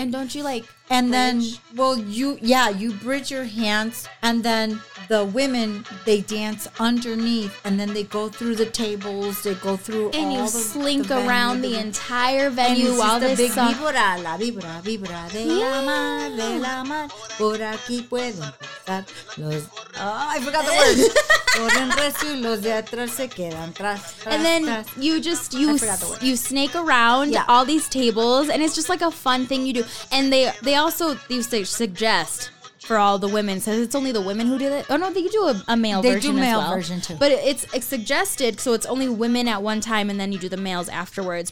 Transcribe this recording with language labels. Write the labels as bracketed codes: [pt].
[en] And don't you like bridge? And then, well, you bridge your hands and then the women, they dance underneath and then they go through the tables, they go through and all the venue. And you slink around the entire venue while this song. And it's just a big [es] vibra, la vibra, vibra de la mar, de la mar. Por aquí pueden pasar los... [en] Oh, I forgot the word. [es] Corren recio y los de atrás se quedan tras. [en] And then you snake around all these tables and it's just like a fun thing you do. And they also used to suggest for all the women, says it's only the women who do that. Oh, no, they do a male version as well. They do male version too. But it's suggested, so it's only women at one time and then you do the males afterwards.